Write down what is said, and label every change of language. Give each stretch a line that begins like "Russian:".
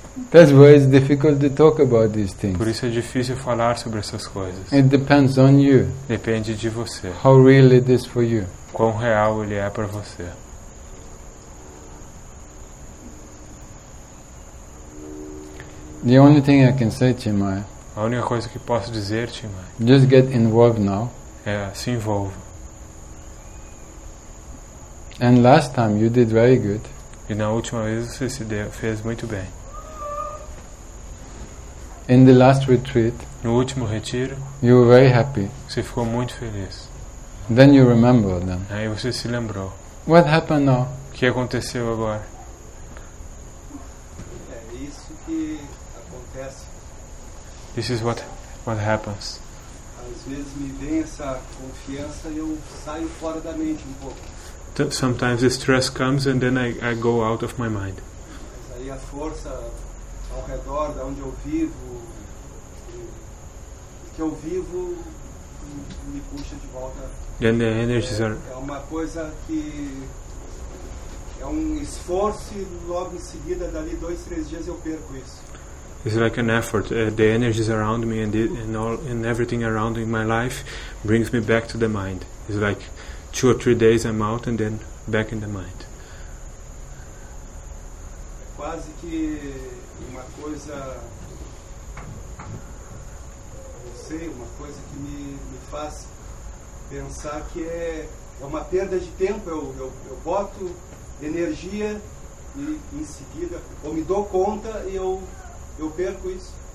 English: That's why it's difficult to talk about these things.
Portuguese: Por isso é difícil falar sobre essas coisas.
English: It depends on you.
Portuguese: Depende de você.
English: How real it is for you.
Portuguese: Quão real ele é para você.
English: The only thing I can say, Chimaya.
Portuguese: A única coisa que posso dizer, Timai.
English: Just get involved now.
Portuguese: É, se envolva.
English: And last time you did very good.
Portuguese: E na última vez você fez muito bem.
English: In the last retreat.
Portuguese: No último retiro.
English: You were very happy.
Portuguese: Você ficou muito feliz.
English: Then you remember them.
Portuguese: Aí você se lembrou.
English: What happened now?
Portuguese: O que aconteceu agora? É isso que acontece.
English: This is what happens.
Portuguese: Às vezes me vem essa confiança e eu saio fora da mente um pouco.
English: Sometimes the stress comes and then I go out of my mind.
Portuguese: Mas aí a força ao redor, de onde eu vivo, que eu vivo me puxa de volta.
English: And the energies are...
Portuguese: É uma coisa que é um esforço e logo em seguida, dali dois, três dias, eu perco isso.
English: It's like an effort. The energies around me and everything around in my life brings me back to the mind. It's like two or three days I'm out and then back in the mind.
Portuguese: Quase que uma coisa, não sei, uma coisa que me faz pensar que é uma perda de tempo. Eu boto energia e em seguida ou me dou conta e eu perco isso.